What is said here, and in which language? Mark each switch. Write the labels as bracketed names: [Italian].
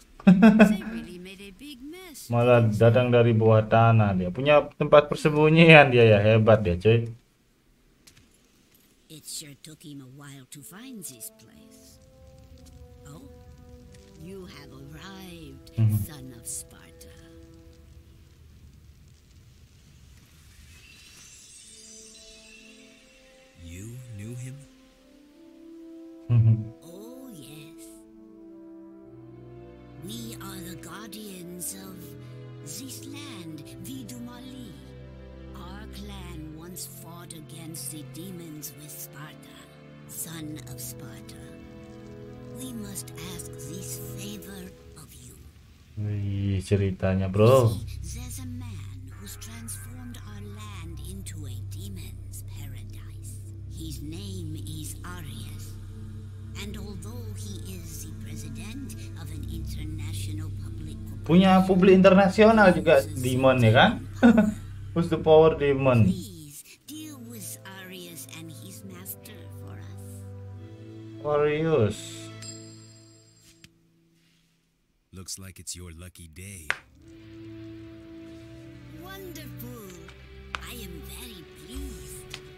[English] They really made a big mess. [Indonesian] Malah datang dari bawah tanah dia. Punya tempat persembunyian dia ya, hebat dia, cuy. [English] It sure took him a while to find this place. Oh, you have arrived, son of Sparta. You knew him? Oh yes, we are the guardians of this land, Vidumali. Our clan once fought against the demons with Sparta, son of Sparta. We must ask this favor of you. [Indonesian] Wih, ceritanya bro. [English] There's a man who's transformed our land into a demon's paradise. His name is Arya. And although he is the president of an international public, [Indonesian] punya publik internasional juga demon ya kan? [English] Who's the power demon? Please deal with Arius and his master for us. Arius. Looks like it's your lucky day. Wonderful. I am very pleased.